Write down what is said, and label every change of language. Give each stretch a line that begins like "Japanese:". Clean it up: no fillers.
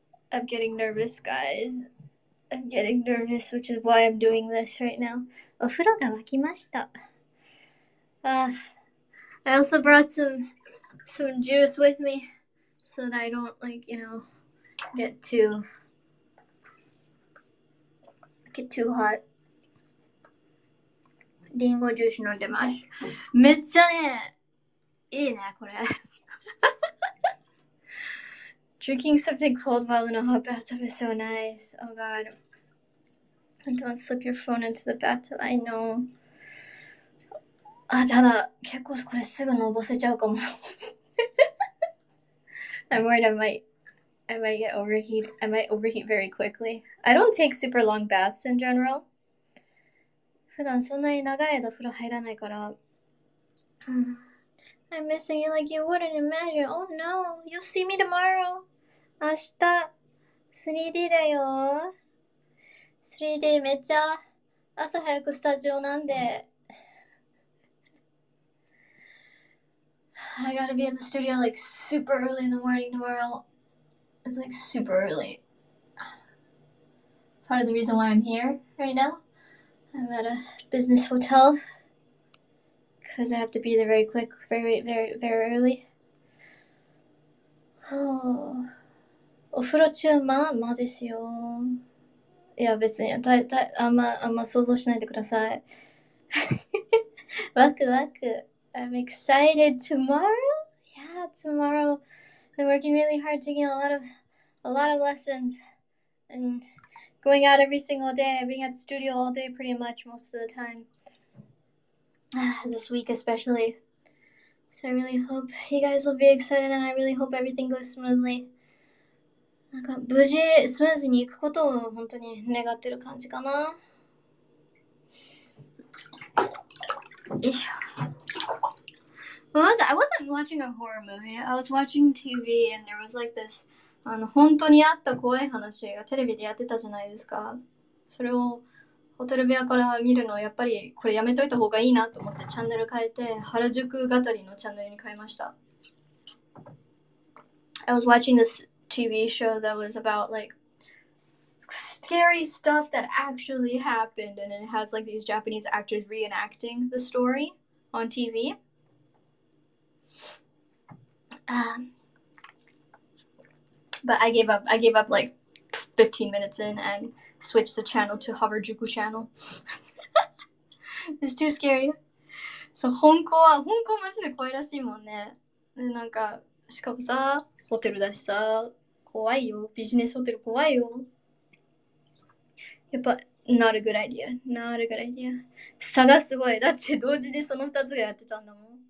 English: I'm getting nervous, guys. I'm getting nervous, which is why I'm doing this right now.
Japanese: お風呂が沸きました。
English: I also brought some juice with me so that I don't, like, you know, get too hot.
Japanese: リンゴジュース飲んでます。めっちゃね、いいね、これ。
English: Drinking something cold while in a hot bathtub is so nice. Oh god. And don't slip your phone into the bathtub, I know.
Japanese: あ、ただ、結構これすぐのぼせちゃうかも。
English: I'm worried I might overheat very quickly. I don't take super long baths in general.
Japanese: 普段そんなに長い間風呂入らないから。
English: I'm missing you like you wouldn't imagine. Oh no, you'll see me tomorrow.
Japanese: 明日、3D だよ。 3D めっちゃ朝早くスタジオなんで。
English: I gotta be at the studio like super early in the morning tomorrow. It's like super early. Part of the reason why I'm here right now. I'm at a business hotel. Because I have to be there very quick, very, very, very early.
Japanese: お風呂中まあまあですよ。いや別にあんま想像しないでください。ワクワク。
English: I'm excited tomorrow? Yeah, tomorrow. I'm working really hard, taking a lot of lessons. And going out every single day, being at the studio all day pretty much most of the time. This week especially. So I really hope you guys will be excited and I really hope everything goes smoothly.
Japanese: なんか無事スムーズに行くことを本当に願ってる感じかな。よいしょ。
English: I wasn't watching a horror movie. I was watching TV and there was like this
Japanese: 本当にあった怖い話がテレビでやってたじゃないですか。それをホテル部屋から見るのやっぱりこれやめといた方がいいなと思ってチャンネル変えて原宿語りのチャンネルに変えました。
English: I was watching thisTV show that was about like scary stuff that actually happened, and it has like these Japanese actors reenacting the story on TV. But I gave up like 15 minutes in and switched the channel to Harajuku channel. It's too scary.
Japanese: So, 本校マジで怖いらしいもんね。で、なんか、しかもさ、ホテルだしさ。怖いよ。ビジネスホテル怖いよ。やっぱ、
English: not a good idea. Not a good idea.
Japanese: 差がすごい。だって同時にその2つがやってたんだもん。